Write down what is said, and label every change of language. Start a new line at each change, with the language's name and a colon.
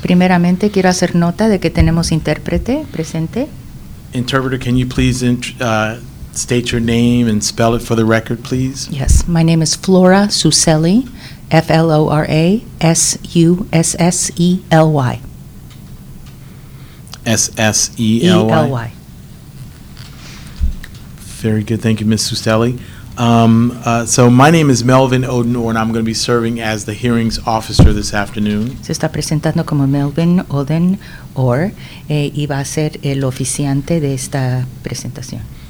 Spanish: Primeramente, quiero hacer nota de que tenemos intérprete presente.
English: Interpreter, can you please state your name and spell it for the record, please? Yes, my name is Flora Susselli, FloraSusselly. S-S-E-L-Y. Very good. Thank you, Ms. Susselli. So my name is Melvin Odenor, and I'm going to be serving as the hearings officer this afternoon.
Spanish: Se está presentando como Melvin Odenor, y va a ser el oficiante de esta presentación.